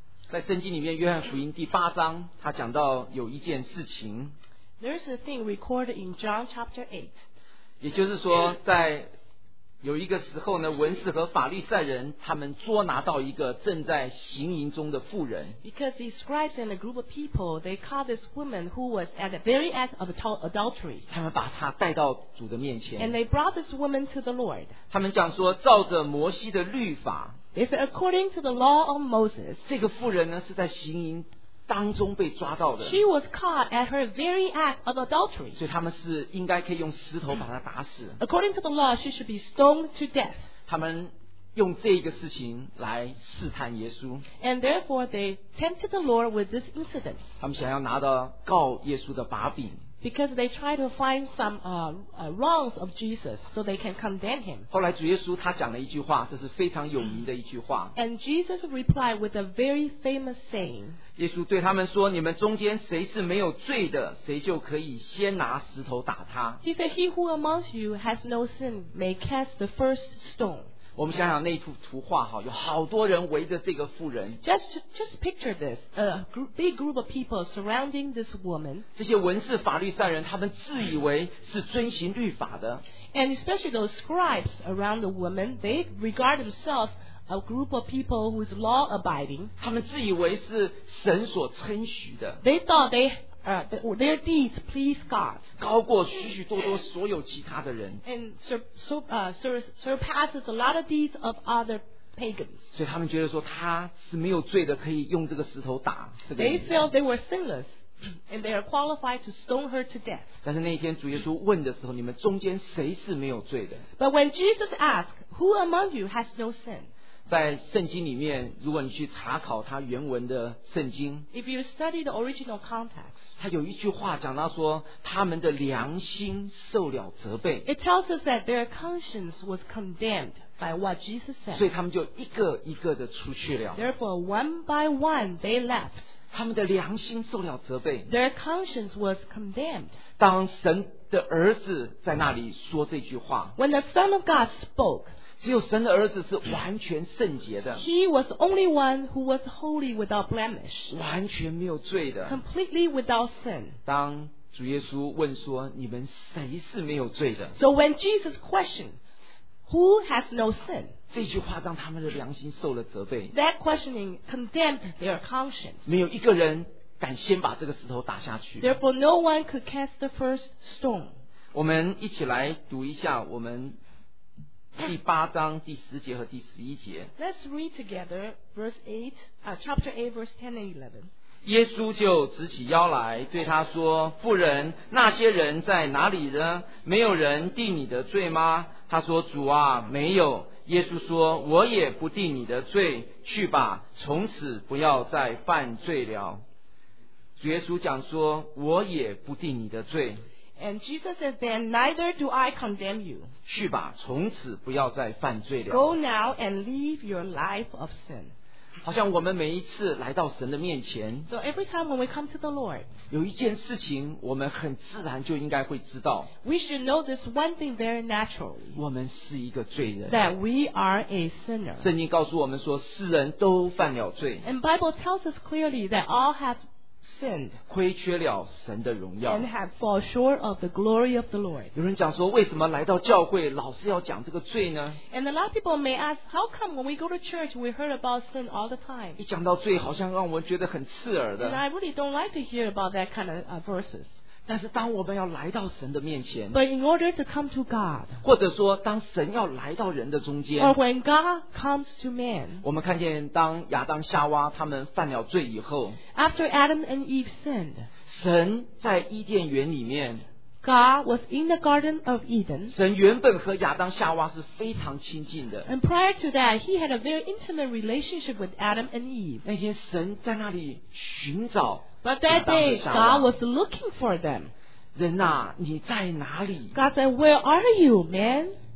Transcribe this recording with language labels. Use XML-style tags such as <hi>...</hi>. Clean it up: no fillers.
<zh>在圣经里面，约翰福音第八章，他讲到有一件事情。</zh> <en>There's a thing recorded in John chapter 8.</en> <zh>也就是说，在有一个时候呢，文士和法利赛人他们捉拿到一个正在行淫中的妇人。</zh> <en>Because the scribes and a group of people, they caught this woman who was at the very act of adultery.</en> <zh>他们把她带到主的面前。</zh> <en>And they brought this woman to the Lord.</en> <zh>他们讲说，照着摩西的律法。</zh> <en>They said according to the law of Moses.</en> <zh>这个妇人呢是在行淫当中被抓到的。</zh> <en>She was caught at her very act of adultery.</en> <zh>所以他们是应该可以用石头把她打死。</zh> <en>According to the law, she should be stoned to death.</en> <zh>他们用这个事情来试探耶稣。</zh> <en>And therefore they tempted the Lord with this incident.</en> <zh>他们想要拿到告耶稣的把柄。</zh> <en>Because they try to find some wrongs of Jesus so they can condemn him.</en> <zh>后来主耶稣他讲了一句话，这是非常有名的一句话。</zh> <en>And Jesus replied with a very famous saying.</en> <zh>耶稣对他们说，你们中间谁是没有罪的，谁就可以先拿石头打他。</zh> <en>He said, he who among you has no sin may cast the first stone.</en> <zh>我们想想那幅图画，有好多人围着这个妇人。</zh> <en>Just picture this, a big group of people surrounding this woman.</en> <zh>这些文士法律赛人他们自以为是遵行律法的。</zh> <en>And especially those scribes around the woman, they regard themselselves a group of people who is law abiding.</en> <zh>他们自以为是神所称许的。</zh> <en>They thought their deeds please God.</en> <zh>高过许许多多所有其他的人。</zh> <en>And surpasses a lot of deeds of other pagans.</en> <zh>所以他们觉得说他是没有罪的，可以用这个石头打这个。</zh> <en>They felt they were sinless, and they are qualified to stone her to death.</en> <zh>但是那一天主耶稣问的时候，你们中间谁是没有罪的？</zh> <en>But when Jesus asked, who among you has no sin?</en> <zh>在圣经里面，如果你去查考它原文的圣经，</zh> <en>If you study the original context,</en> <zh>它有一句话讲到说，他们的良心受了责备。</zh> <en>It tells us that their conscience was condemned by what Jesus said.</en> <zh>所以他们就一个一个的出去了。</zh> <en>Therefore, one by one, they left.</en> <zh>他们的良心受了责备。</zh> <en>Their conscience was condemned.</en> <zh>当神的儿子在那里说这句话，</zh> <en>When the Son of God spoke,</en> <zh>只有神的儿子是完全圣洁的。</zh> <en>He was the only one who was holy without blemish.</en> <zh>完全没有罪的。</zh> <en>Completely without sin.</en> <zh>当主耶稣问说，你们谁是没有罪的？</zh> <en>So when Jesus questioned, who has no sin?</en> <zh>这句话让他们的良心受了责备。</zh> <en>That questioning condemned their conscience.</en> <zh>没有一个人敢先把这个石头打下去。</zh> <en>Therefore no one could cast the first stone.</en> <zh>我们一起来读一下我们第八章第十节和第十一节。</zh> <en>Let's read together verse 8, chapter 8 verse 10 and 11.</en> <zh>耶稣就直起腰来对他说，妇人，那些人在哪里呢？没有人定你的罪吗？他说，主啊，没有。耶稣说，我也不定你的罪，去吧，从此不要再犯罪了。主耶稣讲说，我也不定你的罪。</zh> <en>And Jesus said, then neither do I condemn you.</en> <zh>去吧，从此不要再犯罪了。</zh> <en>Go now and leave your life of sin.</en> <zh>好像我们每一次来到神的面前，</zh> <en>So every time when we come to the Lord,</en> <zh>有一件事情我们很自然就应该会知道。</zh> <en>We should know this one thing very naturally.</en> <zh>我们是一个罪人。</zh> <en>That we are a sinner.</en> <zh>圣经告诉我们说，世人都犯了罪。</zh> <en>And Bible tells us clearly that all have sinned,</en> <zh>亏缺了神的荣耀。</zh> <en>And have fall short of the glory of the Lord.</en> <zh>有人讲说，为什么来到教会老是要讲这个罪呢？</zh> <en>And a lot of people may ask, how come when we go to church we heard about sin all the time?</en> <zh>一讲到罪好像让我们觉得很刺耳的。</zh> <en>And I really don't like to hear about that kind of verses.</en> <zh>但是当我们要来到神的面前，</zh> <en>But in order to come to God,</en> <zh>或者说当神要来到人的中间，</zh> <en>Or when God comes to man,</en> <zh>我们看见当亚当夏娃他们犯了罪以后，</zh> <en>After Adam and Eve sinned,</en> <zh>神在伊甸园里面，</zh> <en>God was in the Garden of Eden,</en> <zh>神原本和亚当夏娃是非常亲近的。</zh> <en>And prior to that, he had a very intimate relationship with Adam and Eve.</en> <zh>那天神在那里寻找，</zh> <en>But that day, God was looking for them.</en> <zh>人啊，你在哪里？</zh> <en>God said, where are you, man?</en>